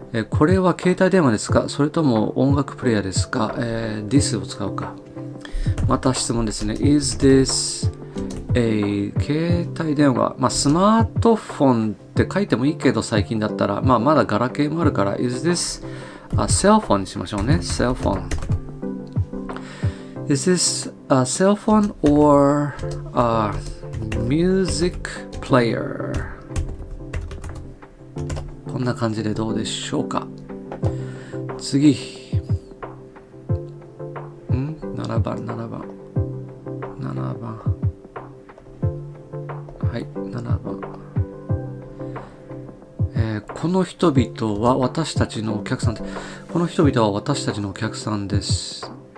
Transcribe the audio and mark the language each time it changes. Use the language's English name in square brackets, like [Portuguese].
[Japanese] これは携帯電話ですか、それとも音楽プレイヤーですか。 This を使うか。また質問ですね。 [English] Is this a 携帯電話？ [Japanese] まあ、スマートフォンって書いてもいいけど、最近だったら。まあ、まだガラケーもあるから。 [English] Is this a cell phone [Japanese] にしましょうね。 [English] cell phone.Is this a cell phone or a music player? [Japanese] こんな感じでどうでしょうか。次、ん ?7 番、7番、7番、はい、7番、この人々は私たちのお客さんで、この人々は私たちのお客さんです。